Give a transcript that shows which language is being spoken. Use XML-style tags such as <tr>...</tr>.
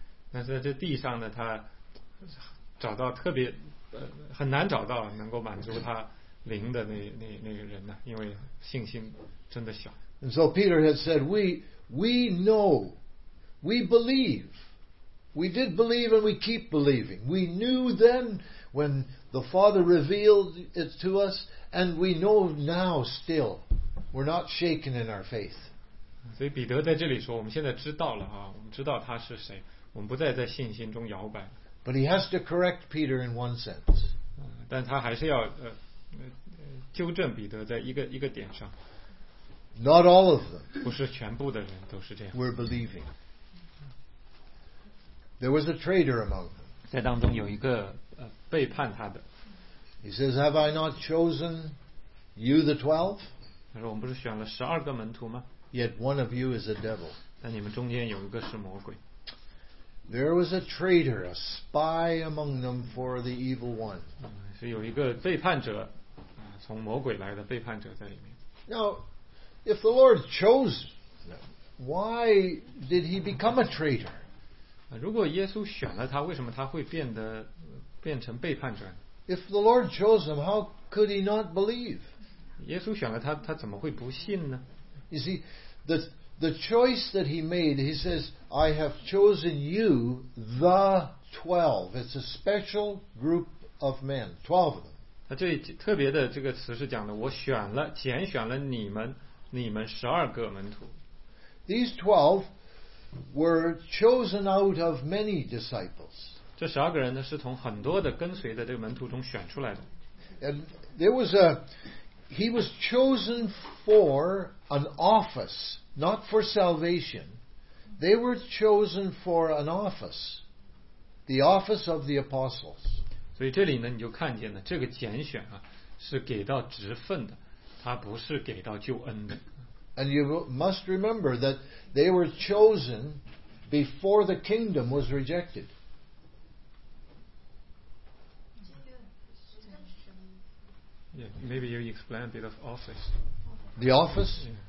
<zh>那在这地上呢，他找到特别很难找到能够满足他灵的那个人呢、啊，因为信心真的小。</zh> <en>And so Peter had said, we know, we believe, we did believe, and we keep believing. We knew then when the Father revealed it to us, and we know now still. We're not shaken in our faith.</en> <zh>所以彼得在这里说，我们现在知道了啊，我们知道他是谁，我们不再在信心中摇摆。</zh> <en>But he has to correct Peter in one sense.</en> <zh>但他还是要纠正彼得在一个点上。</zh> <en>Not all of them.</en> <zh>不是全部的人都是这样。</zh> <en>We're believing. There was a traitor among them.</en> <zh>在当中有一个背叛他的。</zh> <en>He says, "Have I not chosen you the 12?"</en> <zh>他说，我们不是选了十二个门徒吗？</zh> <en>Yet one of you is a devil.</en> <zh>但你们中间有一个是魔鬼。</zh> <en>There was a traitor, a spy among them for the evil one.</en> <zh>是有一个背叛者，从魔鬼来的背叛者在里面。</zh> <en>Now, if the Lord chose them, why did he become a traitor?</en> <zh>如果耶稣选了他，为什么他会变成背叛者？</zh> <en>If the Lord chose them, how could he not believe?</en> <zh>耶稣选了他，他怎么会不信呢？</zh> <en>You see, The choice that he made, he says, I have chosen you, the 12. It's a special group of men, 12 of them.</en> <zh>他这特别的这个词是讲的，我选了，拣选了你们十二个门徒。</zh> <en>These 12 were chosen out of many disciples.</en> <zh>这十二个人呢，是从很多的跟随的这个门徒中选出来的。</zh> <en>And there was a, he was chosen for an office. Not for salvation. They were chosen for an office. The office of the apostles.</en> <zh>所以这里呢你就看见了这个拣选啊是给到职分的，它不是给到救恩的。</zh> <en>And you must remember that they were chosen before the kingdom was rejected. Yeah, maybe you explain a bit of office. The office?、</en>